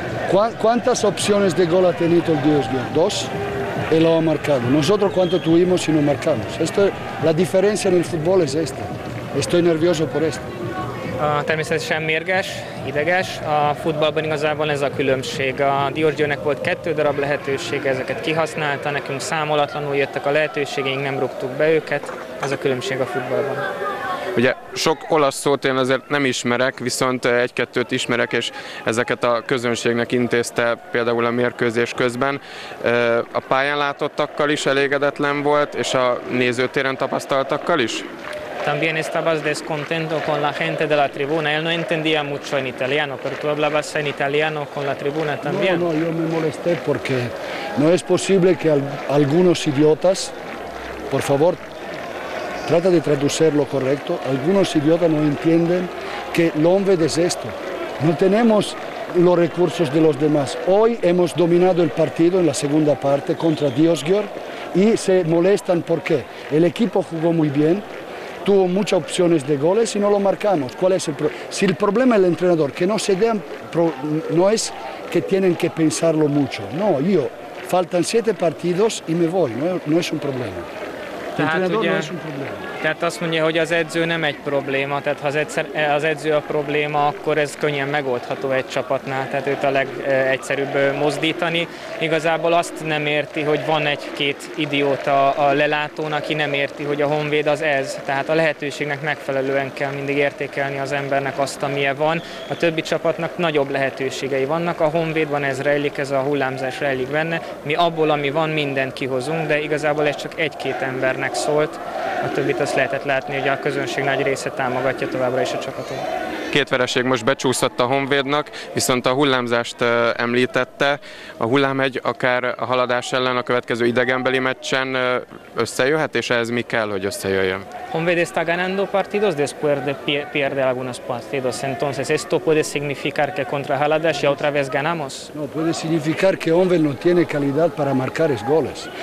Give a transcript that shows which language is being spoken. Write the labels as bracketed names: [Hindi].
[Spanish] ¿Cuántas opciones de gol ha tenido el Diosgüen? Dos. Y lo ha marcado. Nosotros cuánto tuvimos y no marcamos. Esto, la diferencia en el fútbol es esta. Estoy nervioso por esto. [Hungarian] Természetesen mérges, ideges. A futballban igazából ez a különbség. A Diósgyőrnek volt kettő darab lehetősége, ezeket kihasználta, nekünk számolatlanul jöttek a lehetőségeink, nem rúgtuk be őket. Ez a különbség a futballban. Ugye sok olasz szót én azért nem ismerek, viszont egy-kettőt ismerek, és ezeket a közönségnek intézte például a mérkőzés közben. A pályán látottakkal is elégedetlen volt, és a nézőtéren tapasztaltakkal is? [Spanish] También estabas descontento con la gente de la tribuna. Él no entendía mucho en italiano, pero tú hablabas en italiano con la tribuna también. No, yo me molesté porque no es posible que algunos idiotas, por favor, trata de traducir lo correcto, algunos idiotas no entienden que el hombre es esto. No tenemos los recursos de los demás. Hoy hemos dominado el partido en la segunda parte contra Diósgyőr y se molestan porque el equipo jugó muy bien, tuvo muchas opciones de goles y no lo marcamos. ¿Cuál es el problema? Si el problema es el entrenador, que no se den, no es que tienen que pensarlo mucho. No, yo, faltan 7 partidos y me voy, no es un problema. [Hungarian] Tehát azt mondja, hogy az edző nem egy probléma, tehát ha az edző a probléma, akkor ez könnyen megoldható egy csapatnál, tehát őt a legegyszerűbb mozdítani. Igazából azt nem érti, hogy van egy-két idióta a lelátón, aki nem érti, hogy a honvéd az ez. Tehát a lehetőségnek megfelelően kell mindig értékelni az embernek azt, amilyen van. A többi csapatnak nagyobb lehetőségei vannak, a honvédban ez rejlik, ez a hullámzás rejlik benne. Mi abból, ami van, mindent kihozunk, de igazából ez csak egy-két embernek szólt. A többit azt lehetett látni, hogy a közönség nagy része támogatja továbbra is a csapatot. Két vereség most becsúszott a honvédnak, viszont a hullámzást említette. A hullám egy akár a haladás ellen a következő idegenbeli meccsen összejöhet, és ehhez mi kell, hogy összejöjjön? [Spanish] Honvéd está ganando partidos, después pierde algunos partidos. Entonces, ¿esto puede significar que contra Haladas ya otra vez ganamos? No, puede significar que Honvéd no tiene calidad para marcar goles.